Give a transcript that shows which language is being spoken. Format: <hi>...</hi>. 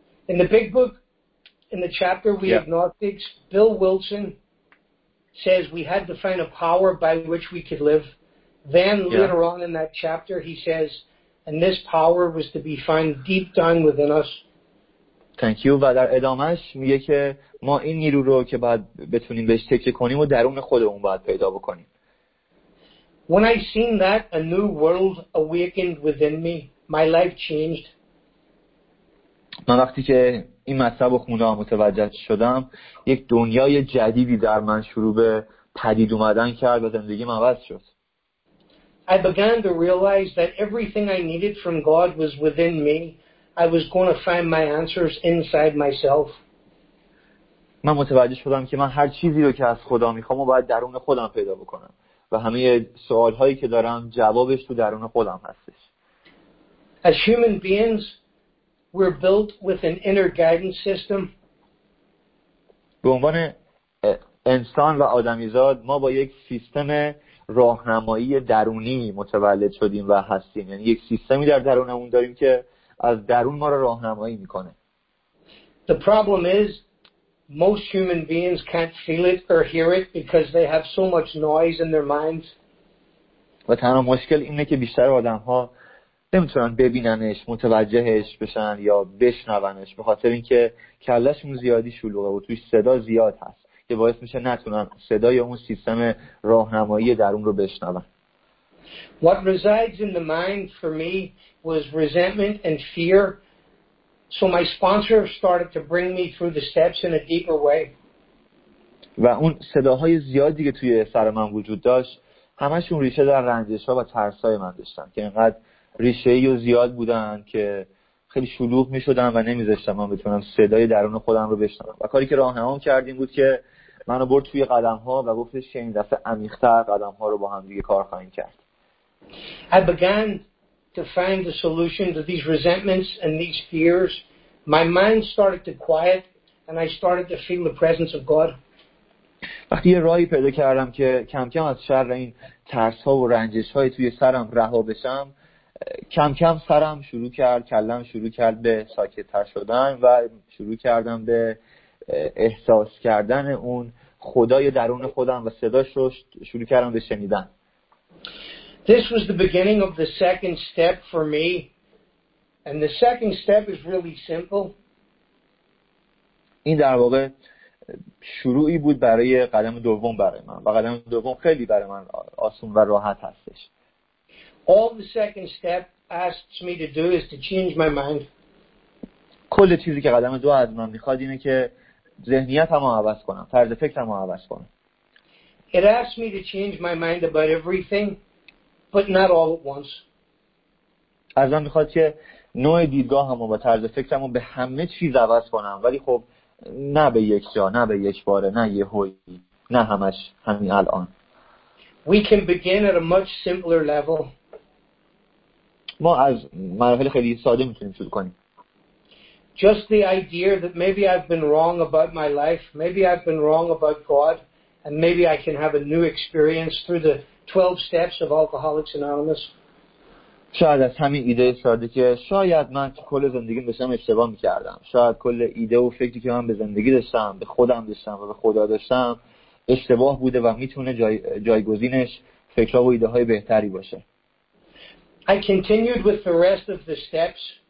<en>In the big book, in the chapter We Agnostics, Bill Wilson says we had to find a power by which we could live. Then later on in that chapter he says And this power was to be found deep down within us. Thank you.</en> <fa>و در ادامهش میگه که ما این نیرو رو که باید بتونیم بهش تکیه کنیم و درون خودمون باید پیدا بکنیم.</fa> <en>When I seen that, a new world awakened within me. My life changed.</en> <fa>من وقتی که این مطلب رو خوندم متوجه شدم یک دنیای جدیدی در من شروع به پدید اومدن کرد و زندگی من عوض شد.</fa> <en>I began to realize that everything I needed from God was within me. I was going to find my answers inside myself.</en> <fa>من متوجه شدم که من هر چیزی رو که از خدا میخوام و باید درون خودم پیدا بکنم و همه سوالهایی که دارم جوابش تو درون خودم هستش.</fa> <en>As human beings, we're built with an inner guidance system.</en> <fa>به عنوان انسان و آدمیزاد ما با یک سیستم راهنمایی درونی متولد شدیم و هستیم. یعنی یک سیستمی در درونمون داریم که از درون ما را راهنمایی میکنه.</fa> <en>The problem is most human beings can't feel it or hear it because they have so much noise in their minds.</en> <fa>و تنها مشکل اینه که بیشتر آدم‌ها نمیتونن ببیننش، متوجهش بشن یا بشنونش به خاطر اینکه کلهشون زیادی شلوغه و توش صدا زیاد هست. که باعث میشه نتونن صدای اون سیستم راهنمایی درون رو بشنون.</fa> <en>What resides in the mind for me was resentment and fear. So my sponsor started to bring me through the steps in a deeper way.</en> <fa>و اون صداهای زیادی که توی سر من وجود داشت همشون ریشه در رنجش‌ها و ترس‌های من داشتن که اینقدر ریشه‌ای و زیاد بودن که خیلی شلوغ می‌شدم و نمی‌ذاشتم من بتونم صدای درون خودم رو بشنوم. و کاری که راهنمام کردیم بود که منو برد توی قدم‌ها و گفتش که این دفعه عمیق‌تر قدم‌ها رو با هم دیگه کار خواهیم کرد.</fa> <en>I began to find the solution to these resentments and these fears. My mind started to quiet and I started to feel the presence of God.</en> <fa>وقتی یه راهی پیدا کردم که کم کم از شر این ترس‌ها و رنجش‌های توی سرم رها بشم، کم کم سرم شروع کرد، کلم شروع کرد به ساکت تر شدن و شروع کردم به احساس کردن اون خدای درون خودم و صداش رو شروع کردم به شنیدن.</fa> <en>This was the beginning of the second step for me. And the second step is really simple.</en> <fa>این در واقع شروعی بود برای قدم دوم برای من و قدم دوم خیلی برای من آسون و راحت هستش.</fa> <en>All the second step asks me to do is to change my mind.</en> <fa>کل چیزی که قدم دو از من میخواد اینه که ذهنیتم رو عوض کنم، طرز فکرم رو عوض کنم.</fa> <en>It asks me to change my mind about everything, but not all at once.</en> <fa>از من میخواد که نوع دیدگاهم و طرز فکرم رو به همه چیز عوض کنم، ولی خب نه به یک جا، نه به یک باره، نه یه هویی، نه همش همین الان.</fa> <en>We can begin at a much simpler level.</en> <fa>ما از مراحل خیلی ساده میتونیم شروع کنیم.</fa> <en>Just the idea that maybe I've been wrong about my life, maybe I've been wrong about God, and maybe I can have a new experience through the 12 steps of Alcoholics Anonymous.</en> <fa>شاید از همین ایده ساده که شاید من کل زندگیم داشتم اشتباه میکردم، شاید کل ایده و فکری که من به زندگی داشتم، به خودم داشتم و به خدا داشتم اشتباه بوده و میتونه جایگزینش فکرها و ایده های بهتری باشه.</fa> <en>I continued with the rest of the steps.</en>